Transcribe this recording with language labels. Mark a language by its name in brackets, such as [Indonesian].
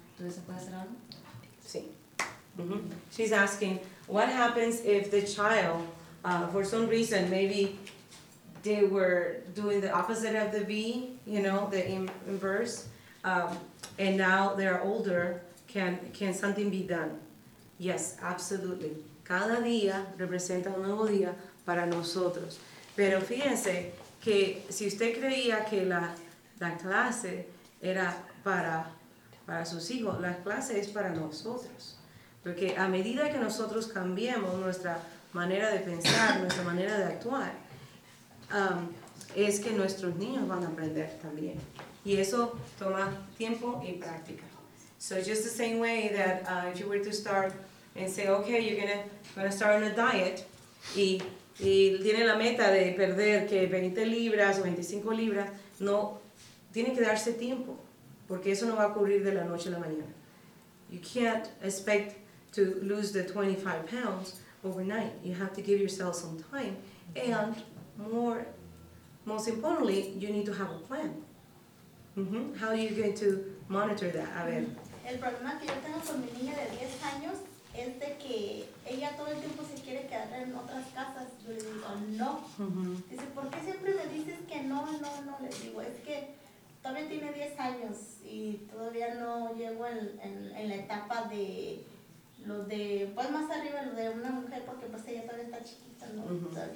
[Spanish] ¿Entonces se puede hacer algo? Sí. Mm-hmm. [English] She's asking, what happens if the child, for some reason, maybe they were doing the opposite of the V, you know, the inverse, and now they're older, can something be done? Yes, absolutely. [Spanish] Cada día representa un nuevo día para nosotros. Pero fíjense que si usted creía que la clase era para sus hijos, la clase es para nosotros. Porque a medida que nosotros cambiemos nuestra manera de pensar, nuestra manera de actuar, es que nuestros niños van a aprender también. Y eso toma tiempo y práctica. [English] So just the same way that if you were to start and say, okay, you're gonna start on a diet, [Spanish] y tiene la meta de perder que 20 libras o 25 libras, no, tiene que darse tiempo, porque eso no va a ocurrir de la noche a la mañana. [English] You can't expect to lose the 25 pounds overnight. You have to give yourself some time, and most importantly, you need to have a plan. Mm-hmm. How are you going to monitor that? [Spanish] A ver. El problema que yo tengo con mi niña de 10 años es de que ella todo el tiempo se quiere quedar en otras casas. Yo le digo, no. Uh-huh. Dice, ¿por qué siempre me dices que no, no, no? Le digo, es que todavía tiene 10 años y todavía no llego en la etapa de lo de, pues más arriba, lo de una mujer, porque pues ella todavía está chiquita, ¿no? Uh-huh.